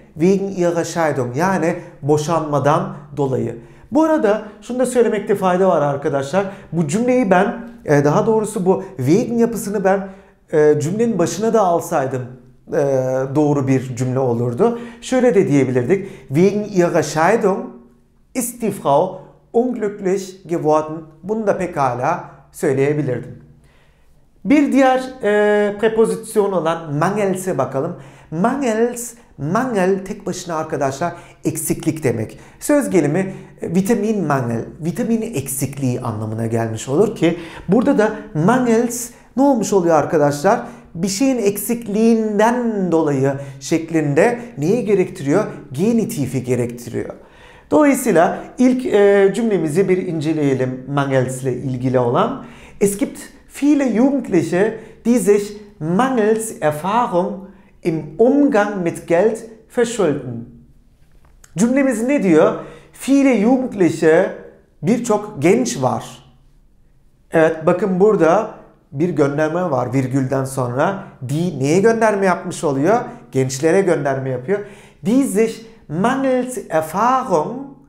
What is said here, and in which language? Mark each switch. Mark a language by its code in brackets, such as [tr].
[de] Wegen ihrer Scheidung. [tr] Yani boşanmadan dolayı. Bu arada şunu da söylemekte fayda var arkadaşlar. Bu cümleyi ben, daha doğrusu bu wegen yapısını ben cümlenin başına da alsaydım doğru bir cümle olurdu. Şöyle de diyebilirdik. [de] Wegen ihrer Scheidung ist die Frau unglücklich geworden. [tr] Bunu da pekala söyleyebilirdim. Bir diğer prepozisyon olan mangels'e bakalım. Mangel tek başına arkadaşlar eksiklik demek. Söz gelimi vitamin mangel, vitamin eksikliği anlamına gelmiş olur ki burada da mangels ne olmuş oluyor arkadaşlar? Bir şeyin eksikliğinden dolayı şeklinde neyi gerektiriyor? Genitifi gerektiriyor. Dolayısıyla ilk cümlemizi bir inceleyelim mangels ile ilgili olan. [de] Es gibt viele Jugendliche, die sich mangels Erfahrung im Umgang mit Geld verschulden. [tr] Cümlemiz ne diyor? [de] Viele Jugendliche, [tr] birçok genç var. Evet, bakın burada bir gönderme var virgülden sonra. Die neye gönderme yapmış oluyor? Gençlere gönderme yapıyor. [de] Die sich mangels Erfahrung.